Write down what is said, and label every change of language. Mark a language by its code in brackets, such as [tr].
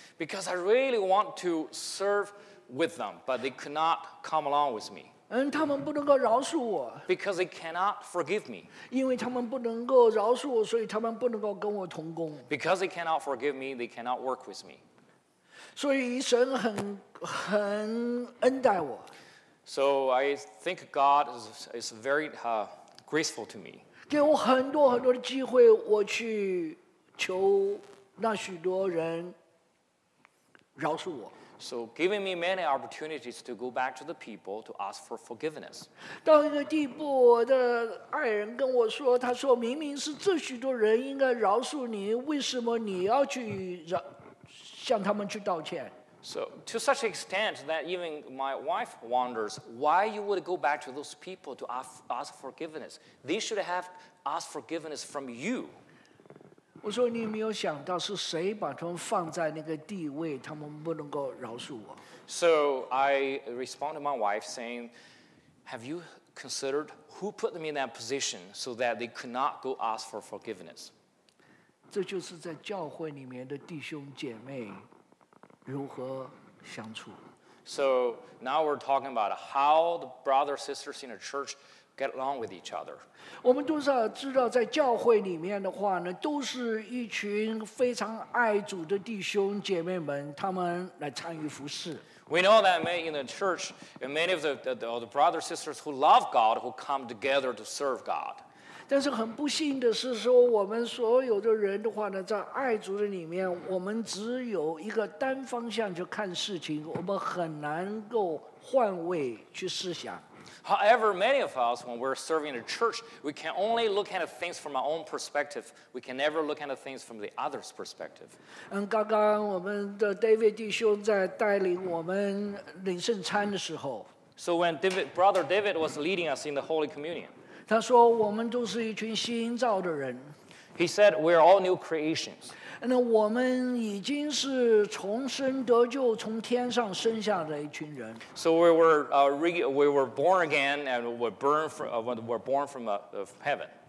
[en] Because I really want to serve with them, but they could not come along with me. [zh] 他们不能够饶恕我。 [en] Because they cannot forgive me. [zh] 因为他们不能够饶恕我，所以他们不能够跟我同工。 [en] Because they cannot forgive me, they cannot work with me. [zh] 所以神很恩待我。 [en] So I think God is very graceful to me. [zh] 给我很多很多的机会，我去求那许多人。 [en] So giving me many opportunities to go back to the people to ask for forgiveness. [zh] 到一个地步，我的爱人跟我说，他说明明是这许多人应该饶恕你，为什么你要去向他们去道歉？ [en] So to such extent that even my wife wonders why you would go back to those people to ask forgiveness. They should have asked forgiveness from you. [zh] 我说你没有想到是谁把他们放在那个地位，他们不能够饶恕我。 [en] So I responded to my wife saying, "Have you considered who put them in that position so that they could not go ask for forgiveness?" [zh] 这就是在教会里面的弟兄姐妹如何相处。 [en] So now we're talking about how the brothers and sisters in a church. Get along with each other. [zh] 我们都知道在教会里面的话呢都是一群非常爱主的弟兄姐妹们他们来参与服事。 [en] We know that many in the church, many of the brothers and sisters who love God, who come together to serve God. [zh] 但是很不幸的是说我们所有的人的话呢在爱主的里面我们只有一个单方向去看事情我们很难够换位去思想。 [en] However, many of us, when we're serving a church, we can only look at things from our own perspective. We can never look at things from the other's perspective. [zh] 刚刚我们的 David 弟兄在带领我们领圣餐的时候 [en] So when Brother David was leading us in the Holy Communion, [zh] 他说我们都是一群新造的人 [en] He said, we're all new creations. [zh] 那我们已经是重生得救从天上生下的一群人 [en] So we were born again and were born from heaven.